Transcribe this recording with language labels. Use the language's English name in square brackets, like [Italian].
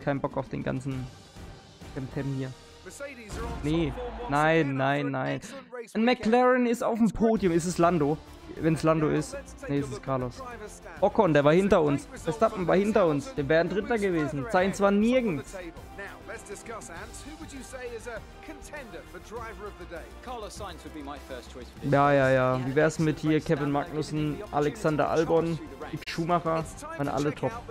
[German] Keinen Bock auf den ganzen Temtem hier. Nee. Nein. Ein McLaren ist auf dem Podium. Ist es Lando? Wenn es Lando ist. Nee, ist es Carlos. Ocon, der war hinter uns. Verstappen war hinter uns. Der wäre ein Dritter gewesen. Sein zwar nirgends. [English] Let's discuss, Ants. Who would you say is a contender for driver of the day? Carlos Sainz would be my first choice for this. [German] Ja. Wie wär's mit hier Kevin Magnussen, Alexander Albon, Schumacher, waren alle top.